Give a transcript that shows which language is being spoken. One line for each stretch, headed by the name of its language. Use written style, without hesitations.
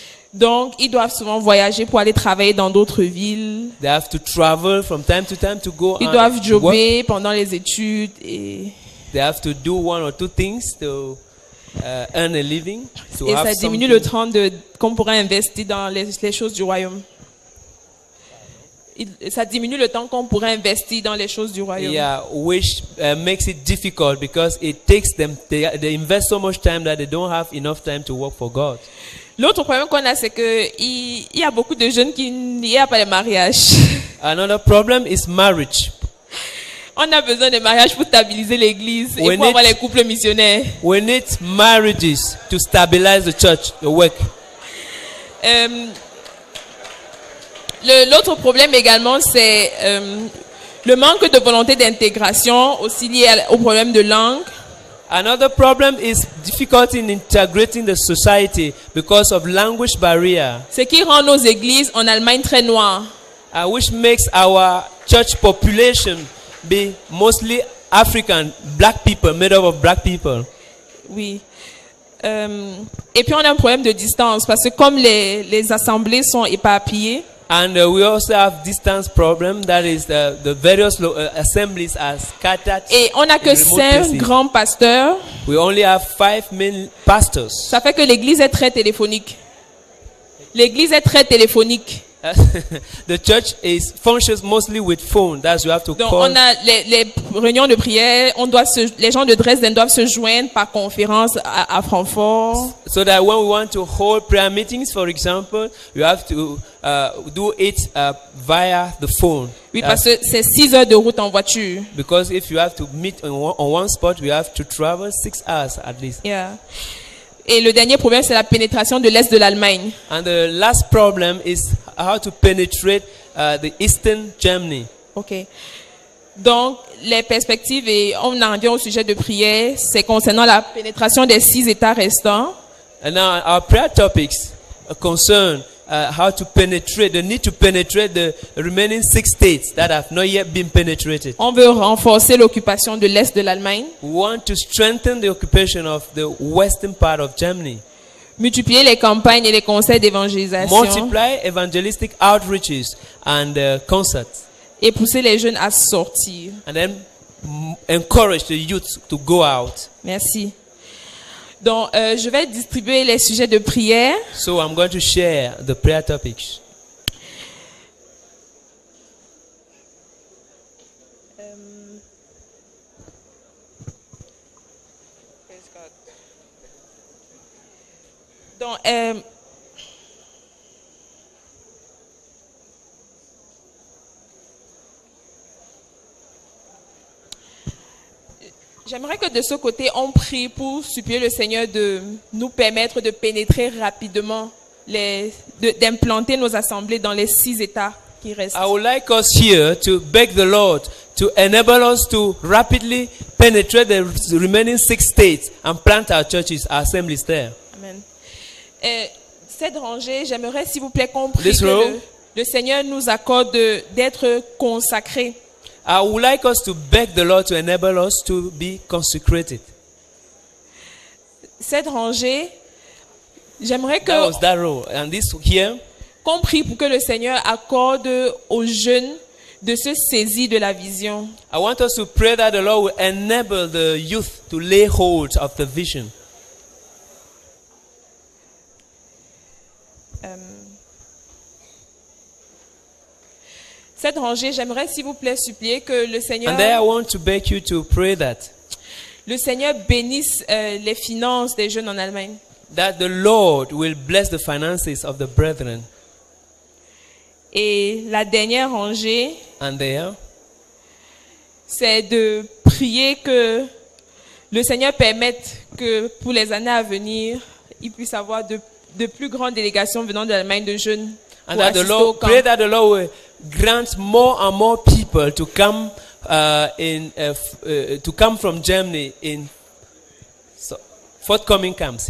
French: Donc, ils doivent souvent voyager pour aller travailler dans d'autres villes.
English: They have to travel from time to time to go.
French: Ils doivent jobber pendant les études et.
English: They have to do one or two things to earn a living. To
French: et ça diminue
English: something.
French: Le temps de qu'on pourrait investir dans les choses du royaume. Ça diminue le temps qu'on pourrait investir dans les choses du royaume.
English: Yeah, which makes it difficult because it takes them, they invest so much time that they don't have enough time to work for God.
French: L'autre problème qu'on a, c'est qu'il y a beaucoup de jeunes qui n'y a pas de mariage.
English: Another problem is marriage.
French: On a besoin de mariage pour stabiliser l'église et pour avoir les couples missionnaires.
English: We need marriages to stabilize the church, the work.
French: L'autre problème également, c'est le manque de volonté d'intégration, aussi lié au problème de langue.
English: Another problem is difficulty in integrating the society because of language barrier.
French: Ce qui rend nos églises en Allemagne très noires.
English: Which makes our church population be mostly African, black people, made up of black people.
French: Oui. Et puis on a un problème de distance parce que comme les assemblées sont éparpillées.
English: And we also have distance problem, that is the various assemblies are scattered.
French: Et on a que 5 grands pasteurs.
English: We only have 5 main pastors.
French: Ça fait que l'église est très téléphonique. L'église est très téléphonique.
English: The church is functions mostly with phone. That's you have to
French: donc
English: call.
French: Donc on a les réunions de prière, les gens de Dresden doivent se joindre par conférence à Francfort.
English: So that when we want to hold prayer meetings, for example, you have to do it via the phone.
French: Oui, parce que c'est 6 heures de route en voiture.
English: Because if you have to meet on one spot, we have to travel 6 hours at least. Yeah.
French: Et le dernier problème, c'est la pénétration de l'est de l'Allemagne.
English: And the last problem is how to penetrate the eastern Germany. Okay.
French: Donc, les perspectives, et on en vient au sujet de prière, c'est concernant la pénétration des 6 états restants.
English: And now, our prayer topics concern how to penetrate, the need to penetrate the remaining 6 states that have not yet been penetrated.
French: On veut renforcer l'occupation de l'est de l'Allemagne.
English: We want to strengthen the occupation of the western part of Germany.
French: Multiplier les campagnes et les concerts d'évangélisation.
English: Multiply evangelistic outreaches and concerts.
French: et pousser les jeunes à sortir.
English: And then encourage the youth to go out.
French: Merci. Donc, je vais distribuer les sujets de prière.
English: So I'm going to share the prayer topics.
French: Donc, j'aimerais que de ce côté, on prie pour supplier le Seigneur de nous permettre de pénétrer rapidement, d'implanter nos assemblées dans les 6 états qui restent.
English: I would like us here to beg the Lord to enable us to rapidly penetrate the remaining 6 states and plant our churches, our assemblies there. Amen.
French: Cette rangée, j'aimerais s'il vous plaît qu'on prie que le Seigneur nous accorde d'être consacrés.
English: I would like us to beg the Lord to enable us to be consecrated.
French: Cette rangée, j'aimerais que
English: that was that row. And this here,
French: qu'on prie pour que le Seigneur accorde aux jeunes de se saisir de la vision.
English: I want us to pray that the Lord will enable the youth to lay hold of the vision.
French: Cette rangée, j'aimerais s'il vous plaît supplier que le Seigneur.
English: And there I want to beg you to pray that.
French: Le Seigneur bénisse les finances des jeunes en Allemagne.
English: That the Lord will bless the finances of the brethren.
French: Et la dernière rangée.
English: And there.
French: C'est de prier que le Seigneur permette que pour les années à venir, il puisse avoir de plus grandes délégations venant de l'Allemagne de jeunes.
English: And that the Lord pray that the Lord will grant more and more people to come to come from Germany in so forthcoming camps.